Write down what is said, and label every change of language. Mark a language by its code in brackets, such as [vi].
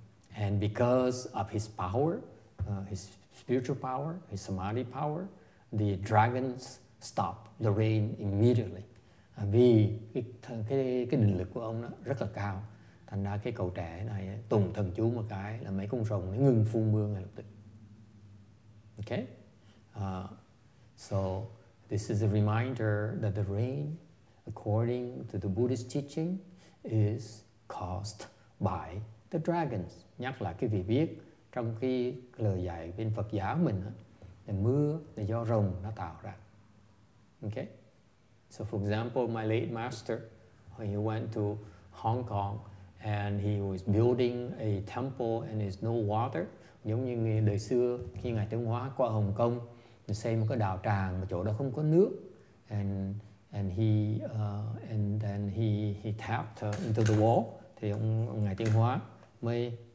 [en] And because of his power, his spiritual power, his samadhi power, the dragons stopped the rain immediately. [vi] Vì cái định lực của ông đó rất là cao, thành ra cái cậu trẻ này tùng thần chú một cái là mấy con rồng nó ngừng phun mưa ngay lập tức. [en] Okay, so this is a reminder that the rain, according to the Buddhist teaching, is caused by the dragons. [vi] Nhắc lại cái vị biết trong cái lời dạy bên Phật giáo mình á, là mưa là do rồng nó tạo ra. [en] Okay, so for example, my late master, when he went to Hong Kong and he was building a temple and there's no water. [vi] Giống như đời xưa khi ngài Trấn Hóa qua Hồng Kông xây một cái đạo tràng mà chỗ đó không có nước, [en] and then he tapped into the wall, [vi] thì ông ngài Trấn Hóa ngài